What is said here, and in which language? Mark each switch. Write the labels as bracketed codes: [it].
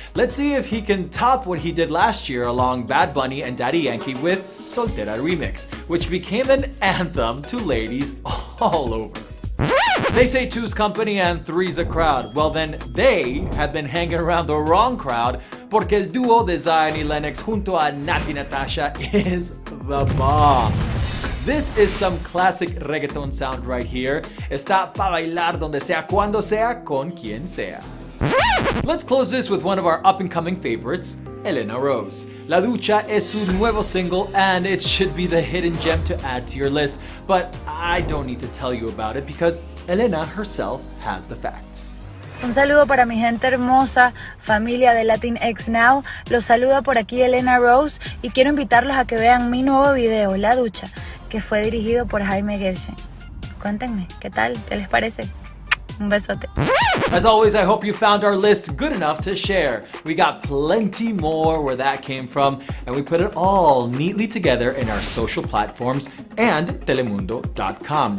[en] Let's see if he can top what he did last year along Bad Bunny and Daddy Yankee with Soltera Remix, which became an anthem to ladies all over. They say two's company and three's a crowd. Well then, they have been hanging around the wrong crowd, [es] porque el duo de Zion y Lennox junto a Nati Natasha [en] is the bomb. This is some classic reggaeton sound right here. [es] Está pa bailar donde sea, cuando sea, con quien sea. [en] Let's close this with one of our up-and-coming favorites, Elena Rose. La Ducha [es] es su nuevo single, [en] and it should be the hidden gem to add to your list. But I don't need to tell you about it, because Elena herself has the facts. [es] Un saludo para mi gente hermosa, familia de Latinx Now. Los saluda por aquí Elena Rose, y quiero invitarlos a que vean mi nuevo video, La Ducha, que fue dirigido por Jaime Gershen. Cuéntenme, ¿qué tal? ¿Qué les parece? Un besote. [en] As always, I hope you found our list good enough to share. We got plenty more where that came from, and we put it all neatly together in our social platforms and telemundo.com.